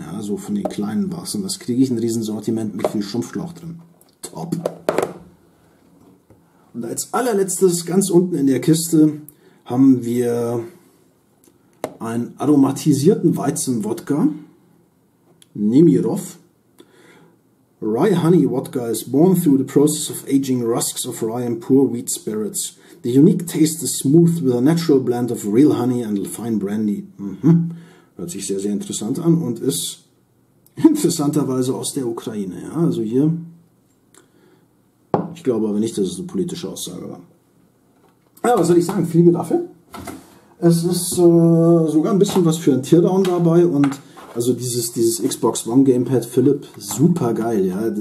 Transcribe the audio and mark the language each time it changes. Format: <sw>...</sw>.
<de>Ja, so von den kleinen was. Und was kriege ich? Ein Riesensortiment mit viel Schrumpfschlauch drin. Top. Und als allerletztes, ganz unten in der Kiste, haben wir einen aromatisierten Weizen-Wodka. Nemirov.</de> <en>Rye Honey Wodka is born through the process of aging rusks of rye and poor wheat spirits. The unique taste is smooth with a natural blend of real honey and fine brandy. Mhm.</en> <de>Hört sich sehr, sehr interessant an und ist interessanterweise aus der Ukraine. Ja, also hier, ich glaube aber nicht, dass es eine politische Aussage war. Ja, was soll ich sagen? Fliege dafür. Es ist sogar ein bisschen was für ein Teardown dabei und also dieses Xbox One Gamepad Philipp, super geil, ja.</de>